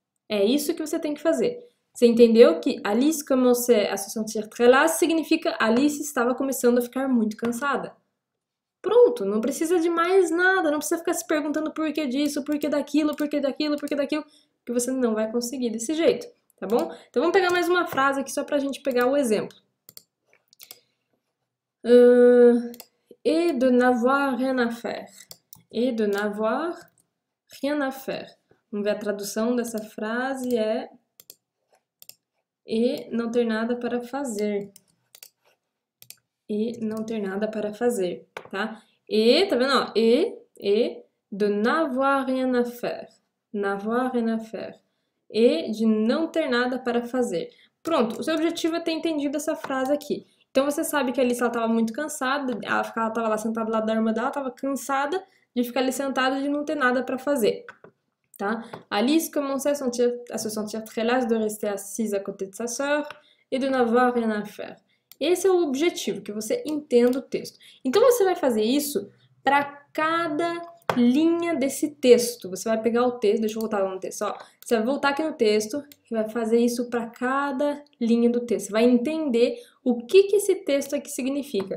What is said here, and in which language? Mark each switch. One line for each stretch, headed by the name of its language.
Portuguese: É isso que você tem que fazer. Você entendeu que
French: Alice commençait à se sentir très lasse
Portuguese: significa Alice estava começando a ficar muito cansada. Pronto, não precisa de mais nada, não precisa ficar se perguntando por que disso, por que daquilo, por que daquilo, por que daquilo, que você não vai conseguir desse jeito, tá bom? Então vamos pegar mais uma frase aqui só pra gente pegar o exemplo.
French: Et de n'avoir rien à faire. Et de n'avoir rien à faire.
Portuguese: Vamos ver a tradução dessa frase é e não ter nada para fazer. E não ter nada para fazer, tá? E, tá vendo?
French: E de n'avoir rien à faire. N'avoir rien à faire.
Portuguese: E de não ter nada para fazer. Pronto, o seu objetivo é ter entendido essa frase aqui. Então você sabe que a Alice estava muito cansada, ela estava lá sentada do lado da irmã dela, estava cansada de ficar ali sentada e de não ter nada para fazer. Tá?
French: Alice commençait à se sentir très lasse de rester assise à côté de sa sœur et de n'avoir rien à faire.
Portuguese: Esse é o objetivo, que você entenda o texto. Então você vai fazer isso para cada linha desse texto. Você vai pegar o texto, deixa eu voltar lá no texto, ó. Você vai voltar aqui no texto e vai fazer isso para cada linha do texto. Você vai entender o que que esse texto aqui significa.